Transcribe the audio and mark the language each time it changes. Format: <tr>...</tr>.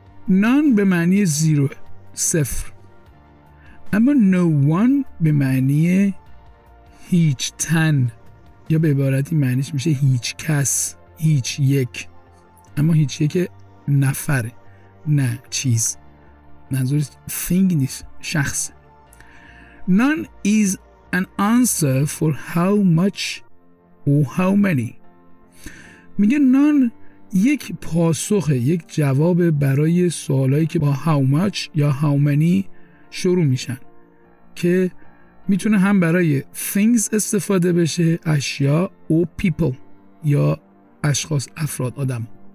<fa>None به معنی زیرو، صفر. اما no one به معنی هیچ تن، یا به عبارتی معنیش میشه هیچ کس، هیچ یک. اما هیچ یک نفره، نه چیز. منظور thing نیست، شخص.</fa> <en>None is an answer for how much or how many.</en> <fa>میگه نان یک پاسخه، یک جواب برای سوالایی که با how much یا how many شروع میشن، که میتونه هم برای things استفاده بشه، اشیا و people یا اشخاص، افراد، آدم.</fa>